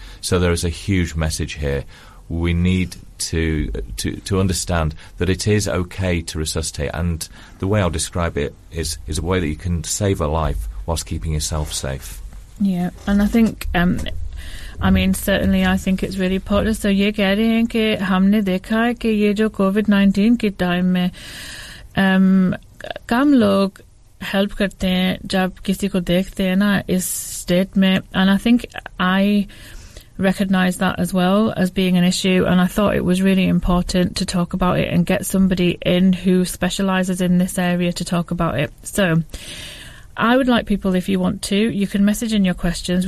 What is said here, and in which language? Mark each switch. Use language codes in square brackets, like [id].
[en] So there is a huge message here. We need to understand that it is okay to resuscitate, and the way I'll describe it is a way that you can save a life whilst keeping yourself safe. Yeah, and I think I mean, certainly, I think it's really important. [ur] So، یہ کہہ رہے ہیں کہ ہم نے دیکھا ہے کہ یہ جو COVID-19 کے time میں کم لوگ help کرتے ہیں جب کسی کو دیکھتے ہیں نا اس state میں۔ [en] And I think I recognize that as well as being an issue. And I thought it was really important to talk about it and get somebody in who specializes in this area to talk about it. So, I would like people, if you want to, you can message in your questions.